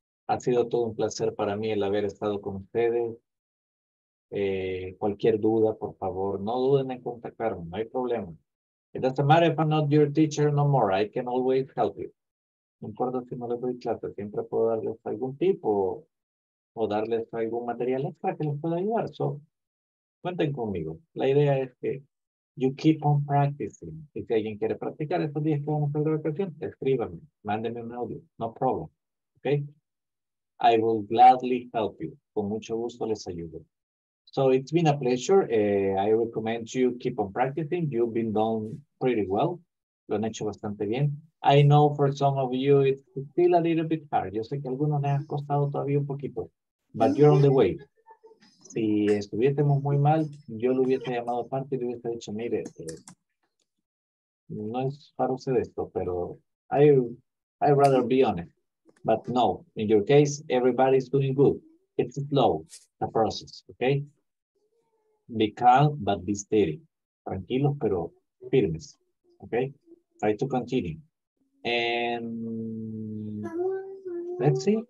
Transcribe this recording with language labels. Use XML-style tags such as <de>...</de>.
<es>Ha sido todo un placer para mí el haber estado con ustedes. Cualquier duda, por favor, no duden en contactarme, no hay problema.</es> <en>It doesn't matter if I'm not your teacher no more, I can always help you.</en> <es>No importa si no les doy clase, siempre puedo darles algún tipo o darles algún material extra que les pueda ayudar. So, cuenten conmigo. La idea es que</es> <en>you keep on practicing.</en> <es>Y si alguien quiere practicar estos días que vamos a hacer de vacación, escríbanme, mándenme un audio,</es> <en>no problem. Okay? I will gladly help you.</en> <es>Con mucho gusto les ayudo.</es> <en>So it's been a pleasure. I recommend you keep on practicing. You've been done pretty well.</en> <es>Lo han hecho bastante bien.</es> <en>I know for some of you, it's still a little bit hard.</en> <es>Yo sé que algunos les ha costado todavía un poquito.</es> <en>But you're on the way.</en> <es>si estuviésemos muy mal, yo lo hubiese llamado aparte y le hubiese dicho, mire, no es para usted esto, pero</es> <en>I'd rather be honest. But no, in your case, everybody is doing good. It's slow, the process, okay? Be calm, but be steady.</en> <es>Tranquilos, pero firmes, okay?</es> <en>Try to continue. And let's see.</en>